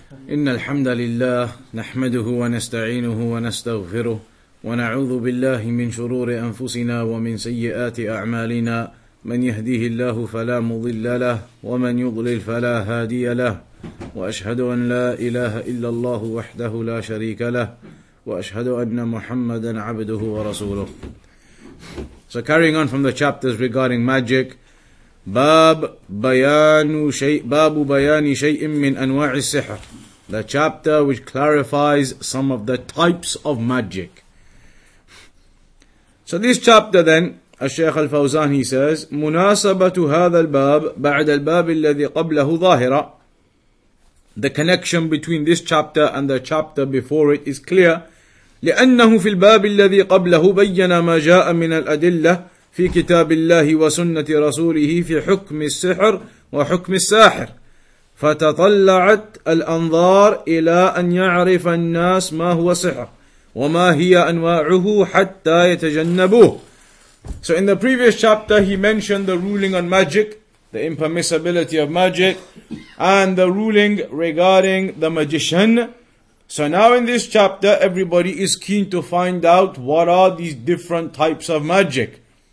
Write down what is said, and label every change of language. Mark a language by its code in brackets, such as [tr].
[ar] إن الحمد لله نحمده ونستعينه ونستغفره ونعوذ بالله من شرور أنفسنا ومن سيئات أعمالنا من يهده الله فلا مضل له ومن يضلل فلا هادي له وأشهد أن لا إله إلا الله وحده لا شريك له وأشهد أن محمدا عبده ورسوله. [en] So carrying on from the chapters regarding magic, [ar] Babu Bayani Shay'im Min Anwa'i Sihr, [en] the chapter which clarifies some of the types of magic. So this chapter then, as Shaykh Al Fawzaan, he says, [ar] Munasabatu Hadha Al Bab Ba'da Al Bab Alladhi Qablahu Zahira. [en] The connection between this chapter and the chapter before it is clear. [ar] لأنه في الباب الذي قبله بين ما جاء من الأدلة في كتاب الله وسنة رسوله في حكم السحر وحكم الساحر فتطلعت الأنظار إلى أن يعرف الناس ما هو سحر وما هي أنواعه حتى يتجنبوه. [en] So in the previous chapter he mentioned the ruling on magic, the impermissibility of magic, and the ruling regarding the magician. So now in this chapter, everybody is keen to find out what are these different types of magic.